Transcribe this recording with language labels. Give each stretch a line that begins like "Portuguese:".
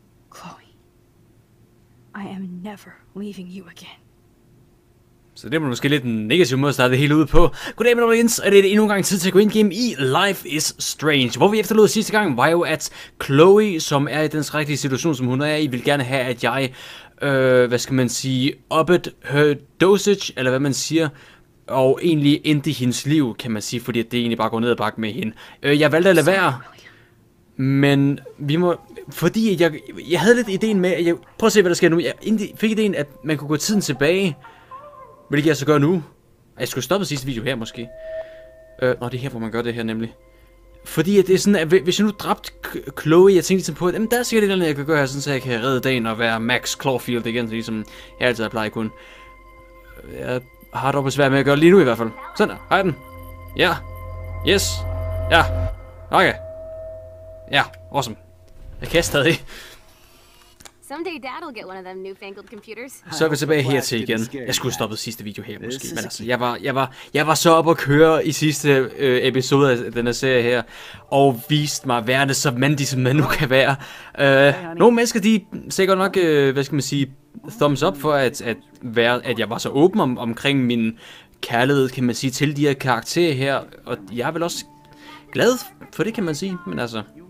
English: Chloe, I am never leaving you again.
Danish: Så det var måske lidt en negativ måde at starte det hele ud på. Goddag, mine venner, og det er endnu en gang tid til at gå ind game i Life is Strange. Hvor vi efterlod sidste gang, var jo, at Chloe, som er i den rigtige situation, som hun er i, vil gerne have, at jeg, hvad skal man sige,
English: upped her dosage,
Danish: eller hvad man siger, og egentlig endte hendes liv, kan man sige, fordi det egentlig bare går ned ad bakke med hende. Jeg valgte at lade være, men vi må... Fordi jeg havde lidt ideen med, at jeg... Prøv at se, hvad der sker nu. Jeg fik ideen, at man kunne gå tiden tilbage... Hvad kan jeg så gøre nu? Jeg skulle stoppe sidste video her, måske. Nå, det er her, hvor man gør det her, nemlig. Fordi at det er sådan, at hvis jeg nu dræbte Chloe, jeg tænkte ligesom på, at jamen, der er sikkert et eller andet, jeg kan gøre her, sådan, så jeg kan redde dagen og være Max Clawfield igen, ligesom jeg altid har plejet kun. Jeg har dog besvær med at gøre lige nu, i hvert fald. Sådan der. Har jeg den? Ja. Yes. Ja. Okay. Ja. Awesome. Jeg kan stadig.
English: Someday dad will get one of them newfangled computers.
Danish: Så er vi tilbage her til igen. Jeg skulle stoppe sidste video her måske, men altså, jeg var så op at køre i sidste episode af den her serie her og viste mig værende så mandig som man nu kan være. Nogle mennesker, de sikkert nok, hvad skal man sige, thumbs up for at jeg var så åben omkring min kærlighed, kan man sige, til de her karakterer her, og jeg er vel også glad for det, kan man sige, men altså.